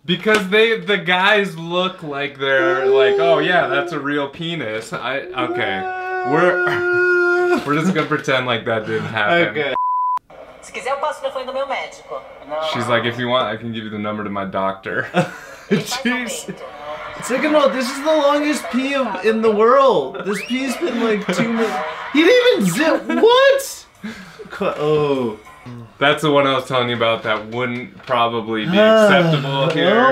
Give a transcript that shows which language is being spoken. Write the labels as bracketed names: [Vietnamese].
[English] Because the guys look like they're like, oh yeah, that's a real penis. I, okay. We're We're just gonna pretend like that didn't happen. Okay. [Portuguese] Se quiser, eu passo o telefone do meu médico. [English] She's like, if you want, I can give you the number to my doctor. Jeez. Second of all, this is the longest pee of, in the world. This pee's been like 2 minutes. He didn't even zip. What? Oh. That's the one I was telling you about that wouldn't probably be acceptable here.